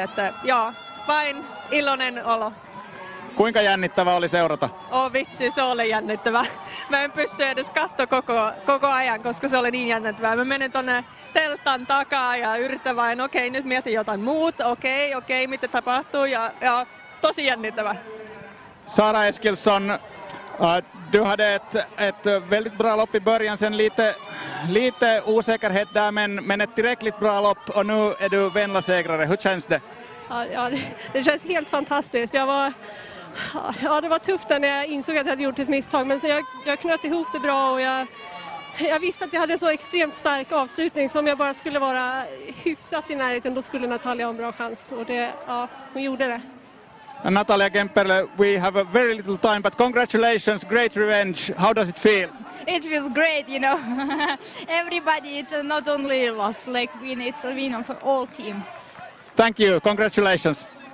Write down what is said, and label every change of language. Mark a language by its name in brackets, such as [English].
[Finnish] Että joo, vain iloinen olo. Kuinka jännittävä oli seurata? Oh vitsi, se oli jännittävä. Mä en pysty edes katsoa koko ajan, koska se oli niin jännittävää. Mä menen tonne telttan takaa ja yritän vain, okei, nyt mietin jotain muut, okei, mitä tapahtuu. Ja tosi jännittävä. [Swedish] Sara Eskilsson, du hade ett väldigt bra lopp i början, sen lite osäkerhet där, men ett tillräckligt bra lopp. Och nu är du Venla-segrare. Hur känns det? Ja, det känns helt fantastiskt. Ja, det var tufft när jag insåg att jag hade gjort ett misstag, men så jag knöt ihop det bra och jag visste att jag hade en så extremt stark avslutning, så om jag bara skulle vara hyfsat i närheten, då skulle Natalia ha en bra chans. Och det, ja, hon gjorde det. [English] And Natalia Kemperle, we have a very little time, but congratulations, great revenge. How does it feel? It feels great, you know. Everybody, it's not only a loss, like win, it's a win for all team. Thank you, congratulations.